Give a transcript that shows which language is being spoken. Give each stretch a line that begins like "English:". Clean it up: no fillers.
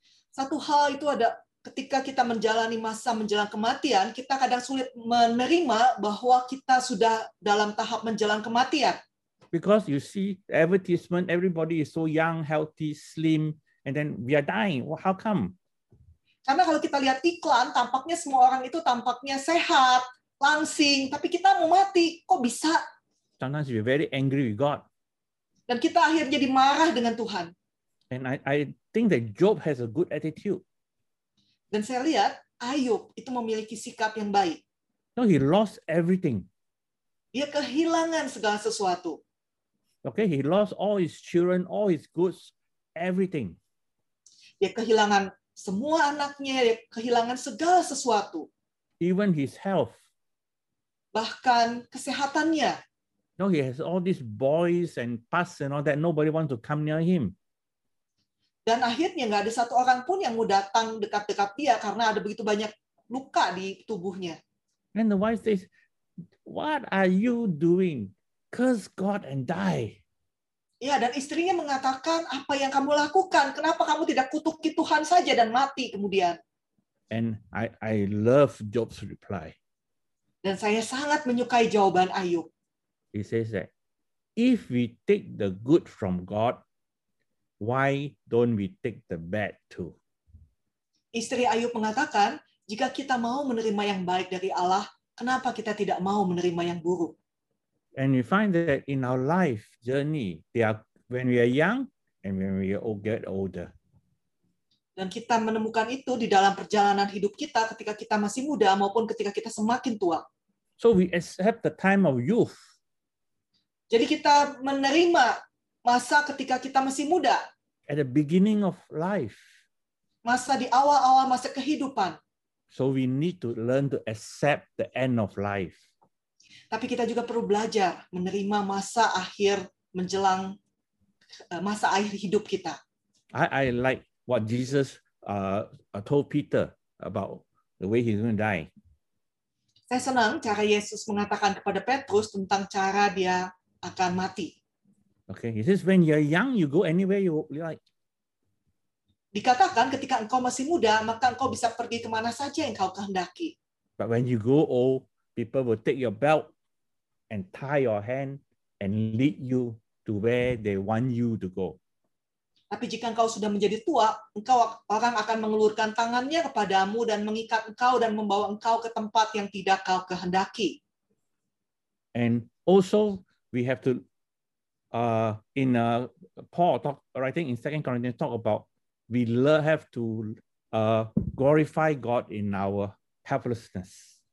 Indonesian: satu hal itu ada ketika kita menjalani masa menjelang kematian, kita kadang sulit menerima bahwa kita sudah dalam tahap menjelang kematian.
English: Because you see advertisement, everybody is so young, healthy, slim, and then we are dying. Well, how come?
Indonesian: Karena kalau kita lihat iklan, tampaknya semua orang itu tampaknya sehat, langsing, tapi kita mau mati, kok bisa?
English: Sometimes we're very angry with God.
Indonesian: Dan kita akhirnya jadi marah dengan Tuhan.
English: And I think that Job has a good attitude.
Indonesian: Dan saya lihat Ayub itu memiliki sikap yang baik.
English: No, he lost everything.
Indonesian: Dia kehilangan segala sesuatu.
English: Okay, he lost all his children, all his goods, everything.
Indonesian: Dia kehilangan semua anaknya, dia kehilangan segala sesuatu.
English: Even his health.
Indonesian: Bahkan kesehatannya.
English: No, he has all these boys and pus and all that. Nobody wants to come near him.
Indonesian: Dan akhirnya nggak ada satu orang pun yang mau datang dekat-dekat dia karena ada begitu banyak luka di tubuhnya.
English: And the wife says, "What are you doing? Curse God and die."
Indonesian: Ya, dan istrinya mengatakan, "Apa yang kamu lakukan? Kenapa kamu tidak kutuki Tuhan saja dan mati kemudian?"
English: And I love Job's reply.
Indonesian: Dan saya sangat menyukai jawaban Ayub.
English: He says that if we take the good from God, why don't we take the bad too?
Indonesian: Istri Ayub mengatakan, jika kita mau menerima yang baik dari Allah, kenapa kita tidak mau menerima yang buruk?
English: And we find that in our life journey, they are when we are young and when we all get older.
Indonesian: Dan kita menemukan itu di dalam perjalanan hidup kita ketika kita masih muda maupun ketika kita semakin tua.
English: So we accept the time of youth.
Indonesian: Jadi kita menerima masa ketika kita masih muda.
English: At the beginning of life.
Indonesian: Masa di awal-awal masa kehidupan.
English: So we need to learn to accept the end of life.
Indonesian: Tapi kita juga perlu belajar menerima masa akhir menjelang masa akhir hidup kita.
English: I like what Jesus told Peter about the way he's going to die.
Indonesian: Saya senang cara Yesus mengatakan kepada Petrus tentang cara dia akan mati.
English: Okay, he says when you're young, you go anywhere you like.
Indonesian: Dikatakan ketika engkau masih muda, maka engkau bisa pergi kemana saja yang kau kehendaki.
English: But when you go old, people will take your belt and tie your hand and lead you to where they want you to go.
Indonesian: Tapi jika engkau sudah menjadi tua, engkau orang akan mengelurkan tangannya kepadamu dan mengikat engkau dan membawa engkau ke tempat yang tidak kau kehendaki.
English: And also we have to in Paul talk writing in 2 Corinthians talk about we have to glorify God in our helplessness.